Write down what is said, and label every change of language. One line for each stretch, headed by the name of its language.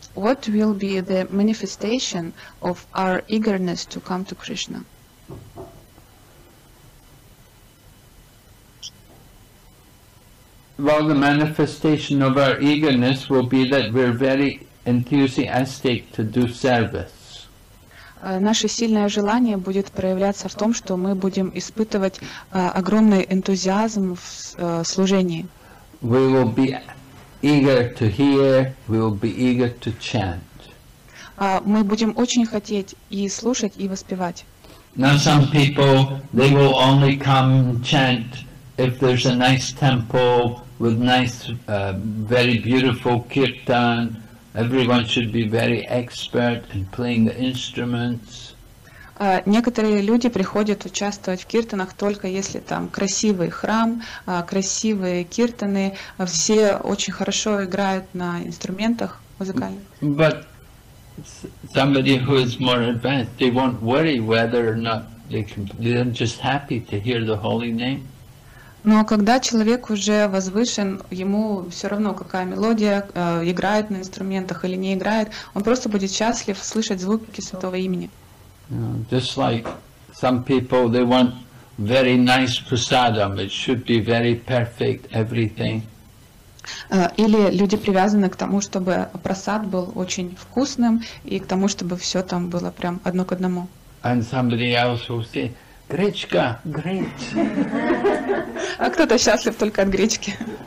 English: What will be the manifestation of our eagerness to come to Krishna? Well, the manifestation of our eagerness will be that we're very enthusiastic to do service.
Russian: Наше сильное желание будет проявляться в том, что мы будем испытывать огромный энтузиазм в служении.
English: We will be eager to hear, we will be eager to chant.
Russian: Мы будем очень хотеть и слушать, и воспевать.
English: Now some people, they will only come chant if there's a nice temple with nice, very beautiful kirtan. Everyone should be very expert in playing the instruments.
Russian: Некоторые люди приходят участвовать в киртанах только если там красивый храм, красивые киртаны, все очень хорошо играют на инструментах музыкальных.
English: But somebody who is more advanced, they won't worry whether or not they can, they're just happy to hear the holy name.
Russian: Но когда человек уже возвышен, ему все равно, какая мелодия играет на инструментах или не играет, он просто будет счастлив слышать звуки святого имени.
English: Just like some people, they want very nice prasadam. It should be very perfect, everything.
Russian: Или люди привязаны к тому, чтобы прасад был очень вкусным и к тому, чтобы все там было прям одно к одному.
English: And somebody else will say,
Russian: гречка, греч. А кто-то счастлив только от гречки.